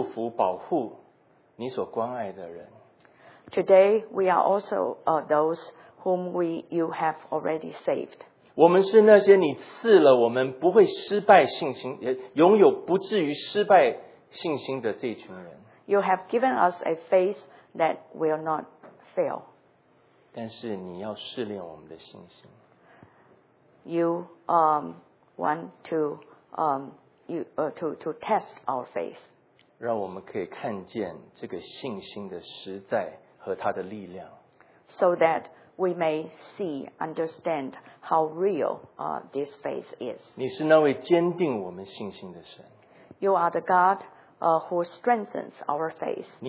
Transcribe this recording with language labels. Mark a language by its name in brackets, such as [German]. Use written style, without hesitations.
[Chinese] 今天我们也是蒙恩得救，得着你祝福保护，你所关爱的人。 [English] Today we are also those whom you have already saved. [Chinese] 我们是那些你赐了我们不会失败信心，也拥有不至于失败信心的这群人。 [English] You have given us a faith that will not fail. [Chinese] 但是你要试炼我们的信心。 [English] You want to test our faith. [Chinese] 让我们可以看见这个信心的实在和它的力量。 [English] So that we may see, understand how real this faith is. [Chinese] 你是那位坚定我们信心的神。 [English] You are the God who strengthens our faith.